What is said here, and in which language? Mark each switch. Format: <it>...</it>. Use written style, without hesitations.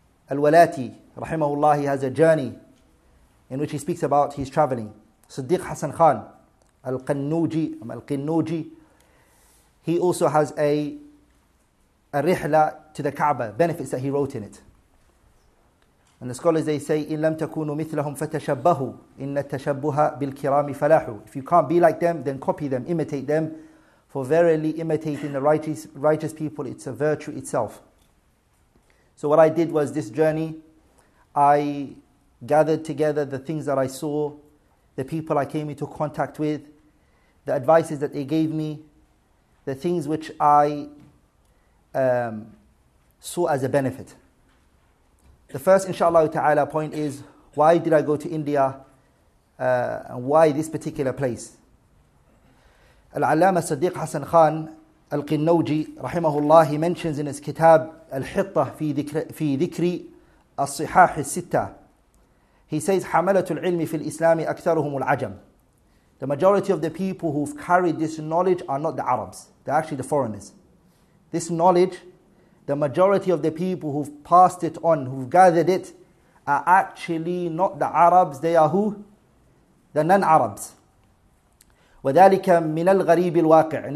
<en>Al-Walati, rahimahullah, he has a journey in which he speaks about his traveling. Siddiq Hassan Khan, Al-Qinnuji, he also has a rihla to the Kaaba, benefits that he wrote in it. And the scholars, they say,</en> <ar>إِن لَمْ تَكُونُوا مِثْلَهُمْ فَتَشَبَّهُوا إِنَّ التَّشَبُّهَ بِالْكِرَامِ فَلَاحُوا.</ar> <en>If you can't be like them, then copy them, imitate them. For verily, imitating the righteous people, it's a virtue itself. So what I did was this journey, I gathered together the things that I saw, the people I came into contact with, the advices that they gave me, the things which I saw as a benefit. The first, inshallah ta'ala, point is, why did I go to India and why this particular place? Al-Allama Siddiq Hassan Khan Al-Qinnawji, rahimahullah, he mentions in his kitab Al-Hittah fi dhikri al-sihah al-sittah. He says,</en> <ar>حَمَلَةُ الْعِلْمِ فِي الْإِسْلَامِ أَكْثَرُهُمُ الْعَجَمُ.</ar> <en>The majority of the people who've carried this knowledge are not the Arabs. They're actually the foreigners. This knowledge, the majority of the people who've passed it on, who've gathered it, are actually not the Arabs. They are who? The non-Arabs.</en> <ar>وَذَلِكَ مِنَ الْغَرِيبِ الْوَاقِعِ.</ar>